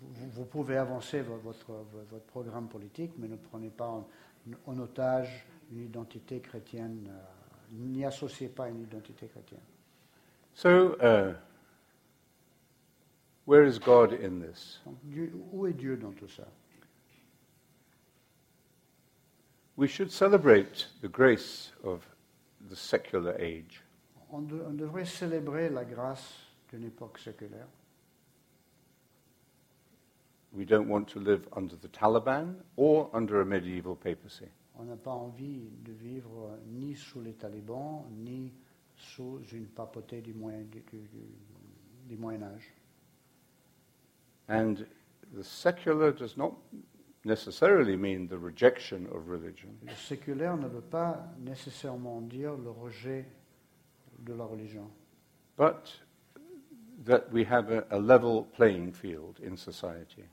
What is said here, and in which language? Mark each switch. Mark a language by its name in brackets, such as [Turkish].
[French] Vous pouvez avancer votre programme politique, mais ne prenez pas en otage une identité chrétienne, n'y associez pas une identité chrétienne. [English] So, where is God in this? [French] Donc, Dieu, où est Dieu dans tout ça? [English] We should celebrate the grace of the secular age. [French] On devrait célébrer la grâce d'une époque séculaire. [English] We don't want to live under the Taliban or under a medieval papacy. [French] On n'a pas envie de vivre ni sous les talibans ni sous une papauté du Moyen Âge. [English] And the secular does not necessarily mean the rejection of religion. [French] Le séculaire ne veut pas nécessairement dire le rejet de la religion. [English] But that we have a level playing field in society.